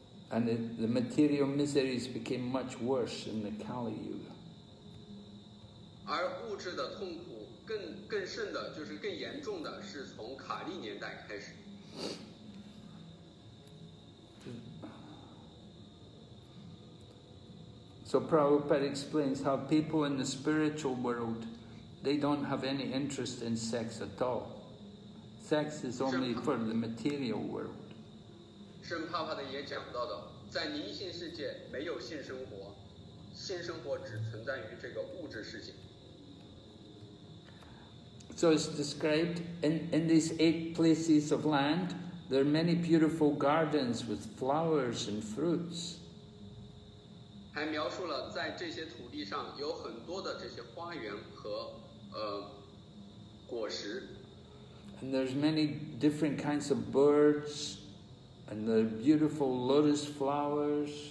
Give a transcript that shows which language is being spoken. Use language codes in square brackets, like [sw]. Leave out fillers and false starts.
[en] And the material miseries became much worse in the Kali Yuga. [zh] 而物质的痛苦更甚的，就是更严重的，是从卡利年代开始。 [en] So Prabhupada explains how people in the spiritual world, they don't have any interest in sex at all. Sex is only for the material world. [zh] 圣帕帕的也讲到的，在灵性世界没有性生活，性生活只存在于这个物质世界。 [en] So it's described in these eight places of land, there are many beautiful gardens with flowers and fruits. [zh] 还描述了在这些土地上有很多的这些花园和果实。 [en] And there's many different kinds of birds. And the beautiful lotus flowers.